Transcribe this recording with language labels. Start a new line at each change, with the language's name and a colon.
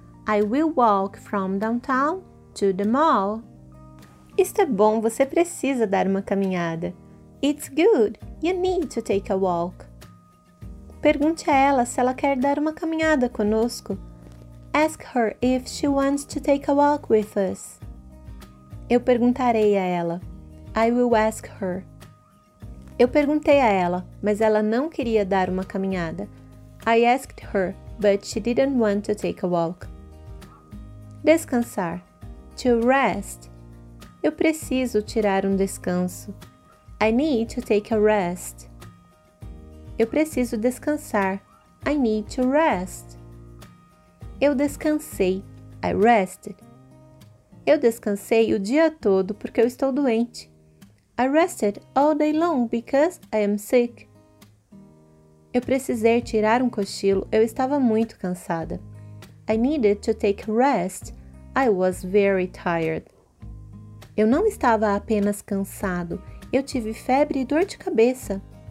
English: I will walk from downtown to the mall.
Portuguese: Isto é bom, você precisa dar uma caminhada.
English: It's good, you need to take a walk.
Portuguese: Pergunte a ela se ela quer dar uma caminhada conosco.
English: Ask her if she wants to take a walk with us.
Portuguese: Eu perguntarei a ela.
English: I will ask her.
Portuguese: Eu perguntei a ela, mas ela não queria dar uma caminhada.
English: I asked her, but she didn't want to take a walk. Descansar. To rest.
Portuguese: Eu preciso tirar um descanso.
English: I need to take a rest.
Portuguese: Eu preciso descansar.
English: I need to rest.
Portuguese: Eu descansei.
English: I rested.
Portuguese: Eu descansei o dia todo porque eu estou doente.
English: I rested all day long because I am sick.
Portuguese: Eu precisei tirar um cochilo. Eu estava muito cansada.
English: I needed to take a rest. I was very tired.
Portuguese: Eu não estava apenas cansado. Eu tive febre e dor de cabeça.